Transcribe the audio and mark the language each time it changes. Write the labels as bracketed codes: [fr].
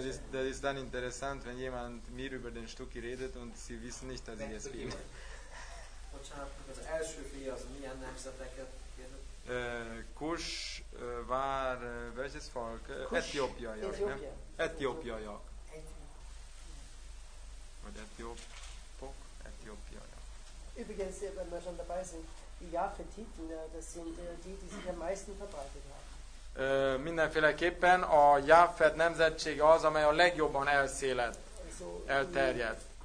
[de] Das ist dann interessant, wenn jemand mir über den Stuki redet und sie wissen nicht, dass ich es bin. [hu] Bocsánat, az első fia az milyen nemzeteket kérdezett? [de] Kush war, welches Volk? [hu] Äthiopiaiak. Äthiopiaiak. Vagy Äthiopiaiak. [de] Übrigens, wenn wir schon dabei sind, die Japhetiten, das sind die sich am meisten verbreitet haben. [hu] Mindenféleképpen a Japhet nemzetsége az, amely a legjobban elszélett, elterjedt.